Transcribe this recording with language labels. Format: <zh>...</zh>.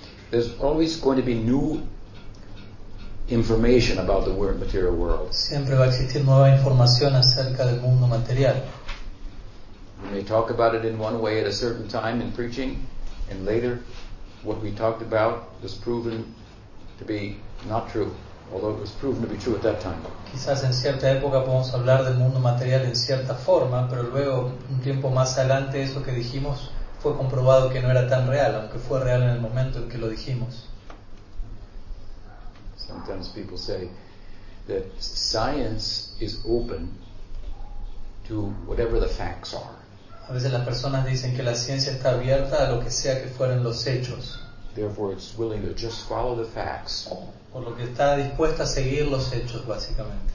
<en>There's always going to be new information about the material world.</en> <es>Siempre va a existir nueva información acerca del mundo material.</es> <en>We may talk about it in one way at a certain time in preaching, and later what we talked about was proven to be not true, although it was proven to be true at that time.</en> <es>Quizás en cierta época podemos hablar del mundo material en cierta forma, pero luego un tiempo más adelante eso que dijimos fue comprobado que no era tan real, aunque fue real en el momento en que lo dijimos.</es> <en>Sometimes people say that science is open to whatever the facts are.</en> <es>A veces las personas dicen que la ciencia está abierta a lo que sea que fueran los hechos.</es> <en>Therefore, it's willing to just follow the facts.</en> <es>Por lo que está dispuesta a seguir los hechos, básicamente.</es>